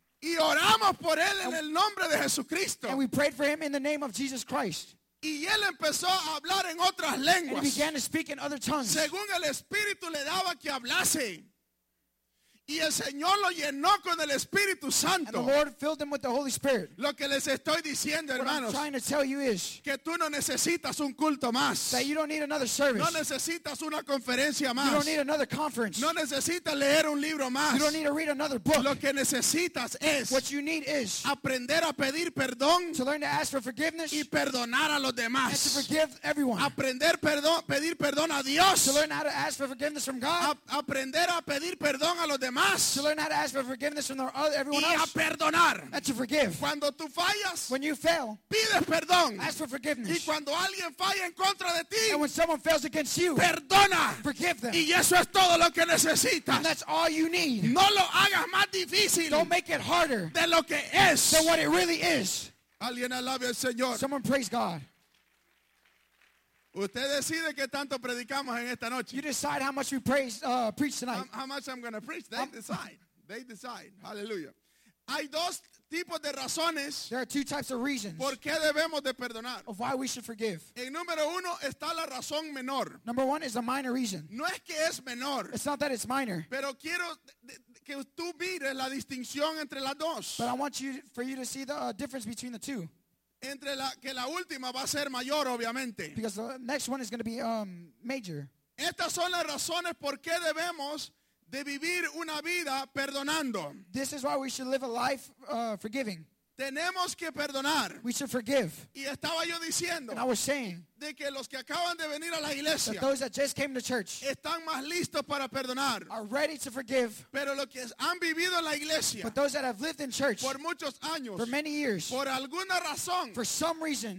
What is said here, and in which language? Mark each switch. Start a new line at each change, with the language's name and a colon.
Spanish: Y oramos por él en el nombre de Jesucristo.
English: And we prayed for him in the name of Jesus Christ.
Spanish: Y él empezó a hablar en otras lenguas.
English: And he began to speak in other tongues.
Spanish: Según el Espíritu le daba que hablase. Y el Señor lo llenó con el Espíritu Santo.
English: And the Lord filled him with the Holy Spirit.
Spanish: Lo que les estoy diciendo,
English: what
Spanish: hermanos,
English: I'm trying to tell you is
Spanish: que tú no necesitas un culto más.
English: That you don't need another service.
Spanish: No necesitas una conferencia más.
English: You don't need another conference.
Spanish: No necesitas leer un libro más.
English: You don't need to read another book.
Spanish: Lo que necesitas es
English: what you need is
Spanish: aprender a pedir perdón,
English: to learn to ask for forgiveness,
Spanish: y perdonar a los demás,
English: and to forgive everyone.
Spanish: Aprender perdón, pedir perdón a Dios,
English: to learn how to ask for forgiveness from God.
Spanish: Aprender a pedir perdón a los demás.
English: To learn how to ask for forgiveness from everyone
Spanish: y
English: else.
Spanish: A perdonar.
English: And to forgive.
Spanish: Cuando tú fallas,
English: when you fail,
Spanish: pides perdón.
English: Ask for forgiveness.
Spanish: Y cuando alguien falla en contra de ti,
English: and when someone fails against you,
Spanish: perdona.
English: Forgive them.
Spanish: Y eso es todo lo que necesitas.
English: And that's all you need.
Spanish: No lo hagas más difícil.
English: Don't make it harder
Spanish: de lo que es.
English: Than what it really is.
Spanish: Alguien alabe al Señor.
English: Someone praise God.
Spanish: Usted decide qué tanto predicamos en esta noche.
English: You decide how much we praise, preach tonight. How much I'm going to preach. They decide. They decide. Hallelujah.
Spanish: Hay dos tipos de razones.
English: There are two types of reasons.
Spanish: ¿Por qué debemos de perdonar?
English: Of why we should forgive.
Spanish: En número uno está la razón menor.
English: Number one is a minor reason.
Spanish: No es que es menor.
English: It's not that it's minor.
Spanish: Pero quiero que tú mires la distinción entre las dos.
English: But I want you for you to see the difference between the two.
Spanish: Entre la que la última va a ser mayor, obviamente.
English: Because the next one is going to be major.
Spanish: Estas son las razones por qué debemos de vivir una vida perdonando.
English: This is why we should live a life forgiving.
Spanish: Tenemos que perdonar.
English: We should forgive.
Spanish: Y estaba yo diciendo.
English: And I was saying.
Spanish: De que los que acaban de venir a la iglesia.
English: That those that just came to church.
Spanish: Están más listos para perdonar.
English: Are ready to forgive.
Spanish: Pero los que han vivido en la iglesia.
English: But those that have lived in church.
Spanish: Por muchos años.
English: For many years.
Spanish: Por alguna razón. For some reason.